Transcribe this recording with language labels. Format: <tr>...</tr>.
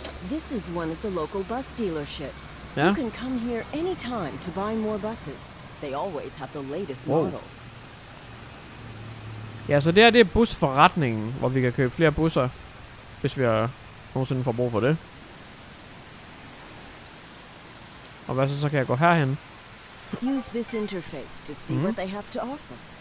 <en>This is one of the local bus dealerships. Yeah? You can come here anytime to buy more buses. They always have the latest models.</en> <da>Ja, så det her, det er busforretningen, hvor vi kan købe flere busser, hvis vi har nogensinde får brug for det. Og hvad så kan jeg gå herhen?</da> <en>Use this interface to see what they have to offer.</en>